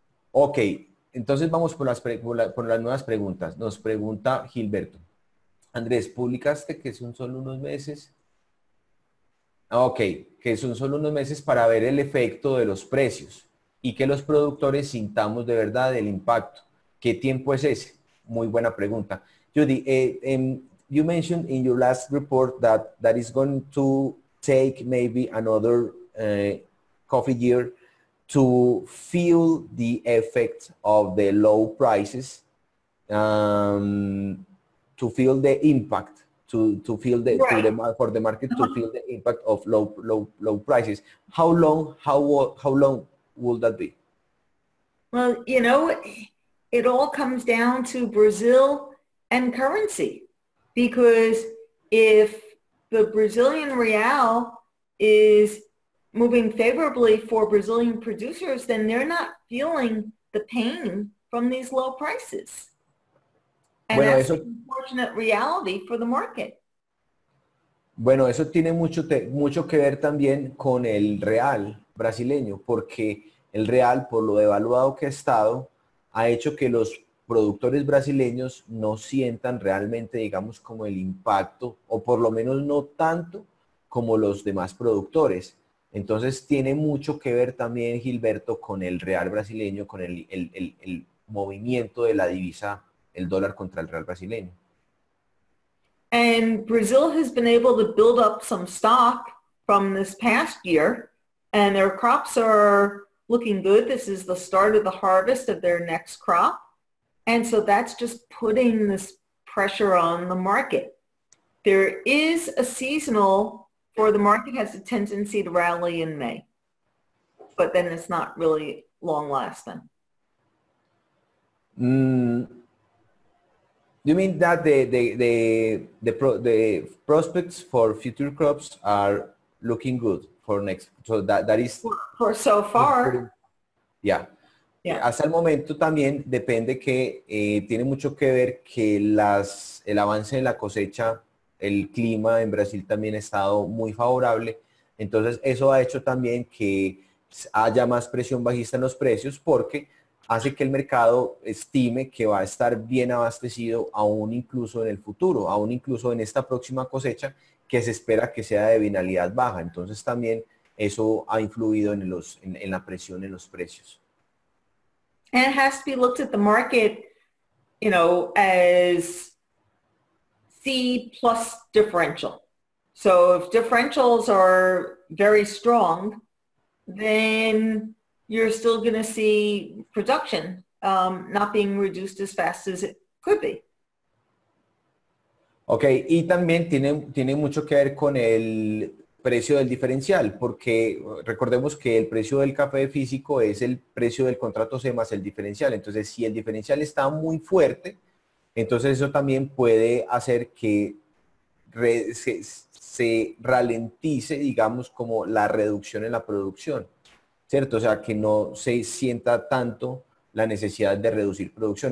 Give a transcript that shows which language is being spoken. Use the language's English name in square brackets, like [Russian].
[Spanish] Ok. Entonces vamos por las nuevas preguntas. Nos pregunta Gilberto. Andrés, ¿publicaste que son solo unos meses? Ok, que son solo unos meses para ver el efecto de los precios y que los productores sintamos de verdad el impacto. ¿Qué tiempo es ese? Muy buena pregunta. [English] Judy, you mentioned in your last report that that is going to take maybe another coffee year to feel the effect of the low prices, to feel the impact, to feel the, right. For the market to feel the impact of low prices. How long will that be? Well, you know, it all comes down to Brazil and currency, because if the Brazilian real is moving favorably for Brazilian producers, then they're not feeling the pain from these low prices. And bueno, that's an unfortunate reality for the market. [Spanish] Bueno, eso tiene mucho que ver también con el real brasileño, porque el real, por lo devaluado que ha estado, ha hecho que los productores brasileños no sientan realmente, digamos, como el impacto, o por lo menos no tanto como los demás productores. Entonces tiene mucho que ver también, Gilberto, con el real brasileño, con el movimiento de la divisa, el dólar contra el real brasileño. [English] And Brazil has been able to build up some stock from this past year, and their crops are looking good. This is the start of the harvest of their next crop. And so that's just putting this pressure on the market. There is a seasonal, for the market has a tendency to rally in May, but then it's not really long lasting. You mean that the prospects for future crops are looking good for next? So that is for so far. Yeah. [Spanish] Hasta el momento también depende que tiene mucho que ver que el avance en la cosecha. El clima en Brasil también ha estado muy favorable. Entonces, eso ha hecho también que haya más presión bajista en los precios porque hace que el mercado estime que va a estar bien abastecido aún incluso en el futuro, aún incluso en esta próxima cosecha que se espera que sea de bienalidad baja. Entonces, también eso ha influido en la presión en los precios. [English] And it has to be looked at the market, you know, as C plus differential. So if differentials are very strong, then you're still going to see production not being reduced as fast as it could be. [Spanish] Okay, y también tiene mucho que ver con el precio del diferencial, porque recordemos que el precio del café físico es el precio del contrato C más el diferencial. Entonces, si el diferencial está muy fuerte, entonces eso también puede hacer que se ralentice, digamos, como la reducción en la producción, ¿cierto? O sea, que no se sienta tanto la necesidad de reducir producción.